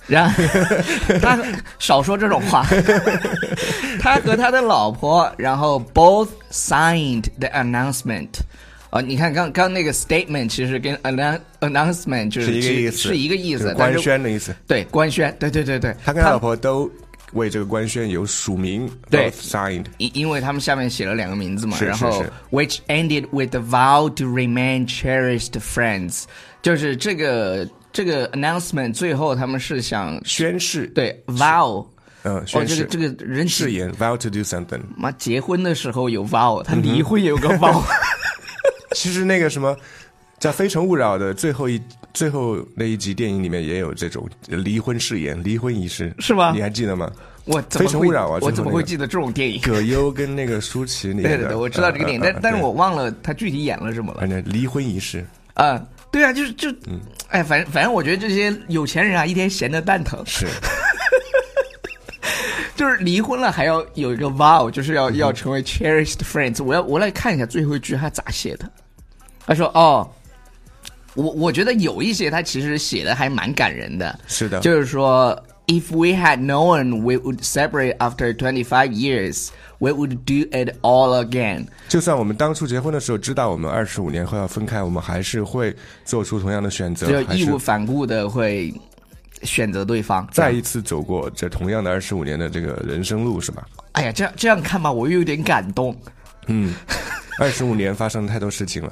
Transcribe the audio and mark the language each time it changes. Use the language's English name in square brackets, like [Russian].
[Chinese] 然后他少说这种话。他和他的老婆，然后 [English] both signed the announcement。 [Chinese] 你看刚那个 statement 其实跟 announcement 就是一个意思，是一个意思，就是，官宣的意思。对，官宣，对对对对。他跟他老婆都为这个官宣有署名，对 [English] ，both signed， [Chinese] 因为他们下面写了两个名字嘛，是然后是是 [English] which ended with the vow to remain cherished friends， [Chinese] 就是这个 announcement 最后他们是想宣誓，对 vow。宣誓，这个人 [English] 誓言 vow to do something， [Chinese] 妈结婚的时候有 vow， 他离婚也有个 vow。其实那个什么在《非诚勿扰》的最后那一集电影里面也有这种离婚誓言，离婚仪式是吗？你还记得吗？我怎么非诚勿扰啊，那个，我怎么会记得这种电影？葛优跟那个舒淇演的。对对对，我知道这个电影，但是我忘了他具体演了什么了。离婚仪式啊，对啊，就哎，反正我觉得这些有钱人啊，一天闲得蛋疼。是。就是离婚了还要有一个 vow， 就是要成为 cherished friends。我来看一下最后一句他咋写的。他说哦，我觉得有一些他其实写的还蛮感人的。是的，就是说 [English] If we had known we would separate after 25 years we would do it all again， [Chinese] 就算我们当初结婚的时候知道我们25年后要分开，我们还是会做出同样的选择，就义无反顾的会选择对方，再一次走过这同样的二十五年的这个人生路，是吧？哎呀，这样看吧，我又有点感动。嗯，二十五年发生了太多事情了。